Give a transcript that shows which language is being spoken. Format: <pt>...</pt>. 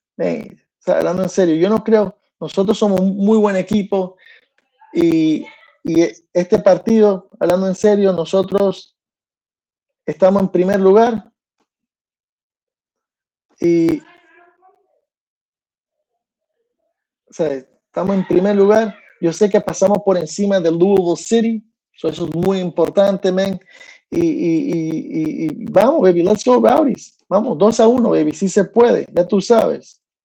<es>Man, o sea, hablando en serio, yo no creo. Nosotros somos un muy buen equipo y este partido, hablando en serio, nosotros estamos en primer lugar y o sea, estamos en primer lugar. Yo sé que pasamos por encima del Louisville City, so eso es muy importante, man. Y vamos,</es> <en>baby, let's go, Rowdies.</en> <es>Vamos, 2-1, baby, si se puede, ya tú sabes.</es>